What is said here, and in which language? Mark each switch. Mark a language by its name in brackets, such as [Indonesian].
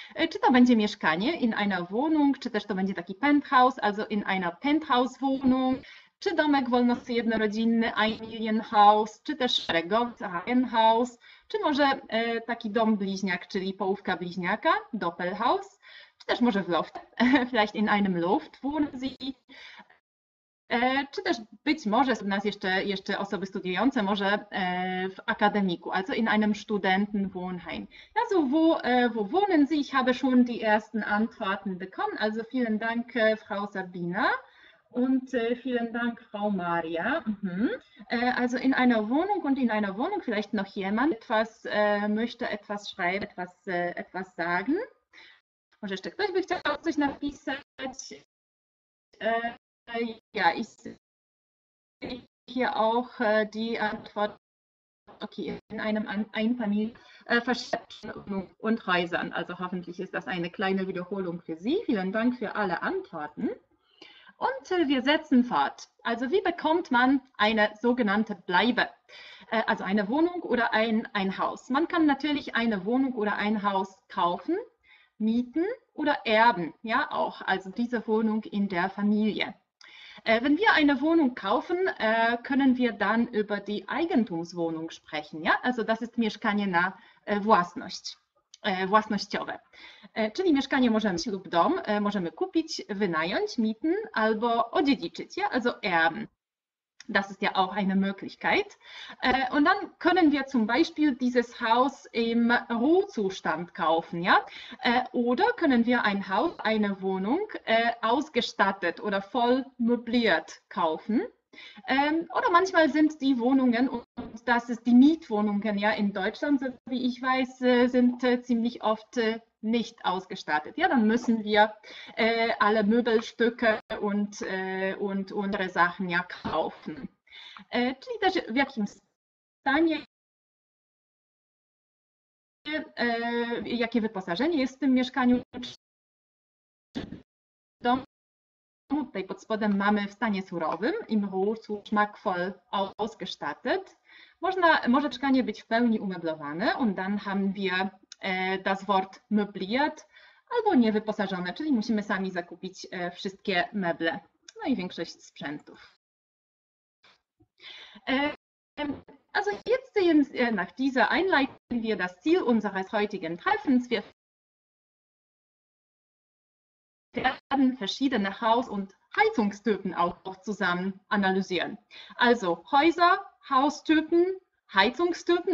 [Polish] Czy to będzie mieszkanie [German] in einer Wohnung, [Polish] czy też to będzie taki penthouse, [German] also in einer Penthouse-Wohnung, [Polish] czy domek wolnojednorodzinny, [German] Einfamilienhaus, [Polish] czy też szeregowiec, [German] Reihenhaus, [Polish] czy może taki dom bliźniak, czyli połówka bliźniaka, [German] Doppelhaus, [Polish] czy też może w loft, [German] vielleicht in einem Loft wohnen Sie. [Polish] Czy też być może z nas jeszcze osoby studiujące, może w akademiku, [German] also in einem Studentenwohnheim. Also wo wohnen Sie? Ich habe schon die ersten Antworten bekommen. Also vielen Dank, Frau Sabina und vielen Dank, Frau Maria. Mhm. Also in einer Wohnung und in einer Wohnung vielleicht noch jemand etwas, möchte etwas schreiben, etwas sagen. [Polish] Może jeszcze ktoś by chciał coś napisać? [German] Ja, ich sehe hier auch die Antwort, okay, in einem Einfamilienhaus und Häusern. Also hoffentlich ist das eine kleine Wiederholung für Sie. Vielen Dank für alle Antworten. Und wir setzen fort. Also wie bekommt man eine sogenannte Bleibe? Also eine Wohnung oder ein Haus? Man kann natürlich eine Wohnung oder ein Haus kaufen, mieten oder erben. Ja, auch. Also diese Wohnung in der Familie. Wenn wir eine Wohnung kaufen, können wir dann über die Eigentumswohnung sprechen. Ja, also das ist [Polish] Mieszkanie na własność. Własnościowe. Czyli mieszkanie możemy lub dom możemy kupić, wynająć, [German] mieten [Polish] albo odziedziczyć, ja? [German] Also erben. Das ist ja auch eine Möglichkeit. Und dann können wir zum Beispiel dieses Haus im Rohzustand kaufen, ja? Oder können wir ein Haus, eine Wohnung ausgestattet oder voll möbliert kaufen. Oder manchmal sind die Wohnungen, und das ist die Mietwohnungen, ja, in Deutschland, so wie ich weiß, sind ziemlich oft nicht ausgestattet. Ja, dann müssen wir alle Möbelstücke und andere Sachen ja kaufen. [Polish] Czyli też w jakim stanie, jakie wyposażenie jest w tym mieszkaniu? Tutaj pod spodem mamy w stanie surowym, [German] im Ruhr, schmackvoll ausgestattet. [Polish] Może mieszkanie być w pełni umeblowane [German] und dann haben wir das Wort möbliert [Polish] albo niewyposażone, czyli musimy sami zakupić wszystkie meble, no i większość sprzętów. [German] Also jetzt sehen Sie, nach dieser Einleitung wir das Ziel unseres heutigen Treffens. Wir werden verschiedene Haus- und Heizungstypen auch zusammen analysieren. Also Häuser, Haustypen, Heizungstypen.